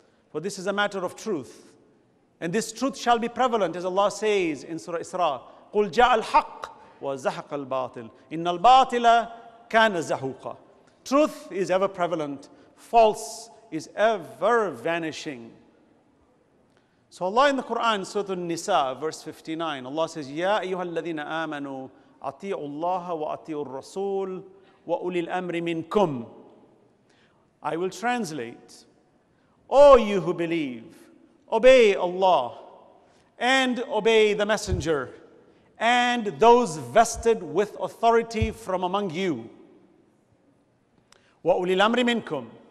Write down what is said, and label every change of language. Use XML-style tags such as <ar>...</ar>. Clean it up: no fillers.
<en>For this is a matter of truth. And this truth shall be prevalent, as Allah says in Surah Isra,</en> <ar>قُلْ جَاءَ الْحَقِّ وَزَحَقَ الْبَاطِلِ إِنَّ الْبَاطِلَ كَانَ زَحُوقًا.</ar> <en>Truth is ever prevalent. False is ever vanishing. So Allah in the Quran, Surah An-Nisa, verse 59, Allah says,</en> <ar>يَا أَيُّهَا الَّذِينَ آمَنُوا أَطِيعُوا اللَّهَ وَأَطِيعُوا الرَّسُولَ وَأُولِي الْأَمْرِ مِنْكُمْ.</ar> <en>I will translate. O you who believe, obey Allah and obey the Messenger and those vested with authority from among you.</en> <ar>وَأُولِي الْأَمْرِ مِنْكُمْ.</ar>